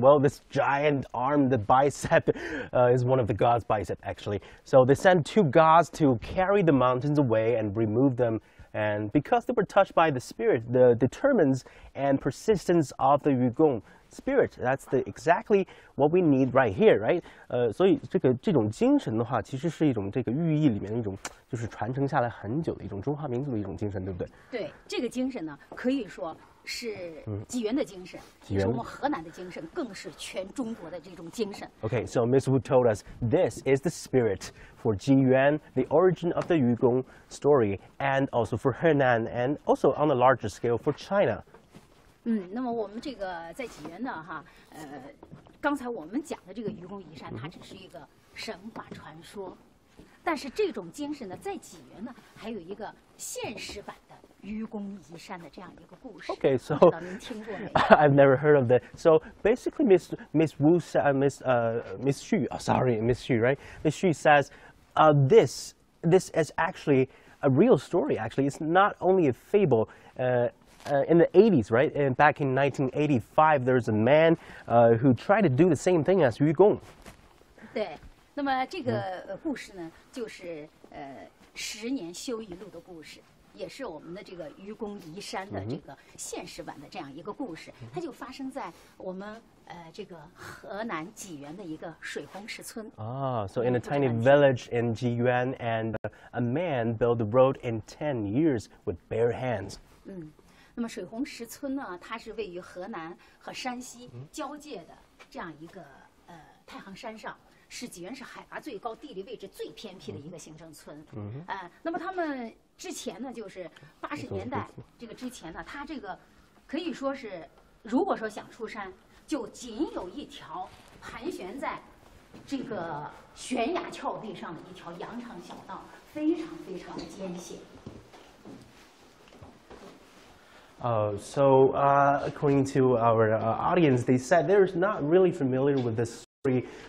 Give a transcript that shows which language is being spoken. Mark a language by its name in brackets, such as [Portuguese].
[English] Well, this giant arm, the bicep, is one of the god's bicep, actually. So they sent two gods to carry the mountains away and remove them. And because they were touched by the spirit, the determines and persistence of the Yugong spirit. That's exactly what we need right here, right? [Chinese] 所以这个精神的话，其实是一种这个寓意里面的一种，就是传承下来很久的一种中华民族的一种精神，对不对？对，这个精神呢，可以说。是济源的精神，也是我们河南的精神，更是全中国的这种精神。Okay, [English] so Miss Wu told us this is the spirit for Jiyuan, the origin of the Yugong story, and also for Henan, and also on a larger scale for China. [Chinese] 那么我们这个在济源呢，哈，刚才我们讲的这个愚公移山，它只是一个神话传说。但是这种精神呢，在济源呢，还有一个现实版的愚公移山的这样一个故事。 [English] Okay, so [Chinese] 不知道您听过没有 [English] ？I've never heard of that. So basically, Miss Xu says, this is actually a real story. Actually, it's not only a fable. In the 80s, right? And back in 1985, there's a man who tried to do the same thing as Yugong. [Chinese] 对，那么这个故事呢，就是十年修一路的故事，也是我们的这个愚公移山的这个现实版的这样一个故事。 Mm-hmm. 它就发生在我们这个河南济源的一个水洪石村。 [English] So in a tiny village in Jiyuan, and a man built the road in 10 years with bare hands. [Chinese] 那么水洪石村呢，它是位于河南和山西交界的这样一个太行山上，是济源市海拔最高、地理位置最偏僻的一个行政村。那么他们之前呢，就是80年代这个之前呢，他这个可以说是，如果说想出山，就仅有一条盘旋在这个悬崖峭壁上的一条羊肠小道，非常非常的艰险。 [English] According to our audience, they said they're not really familiar with this story.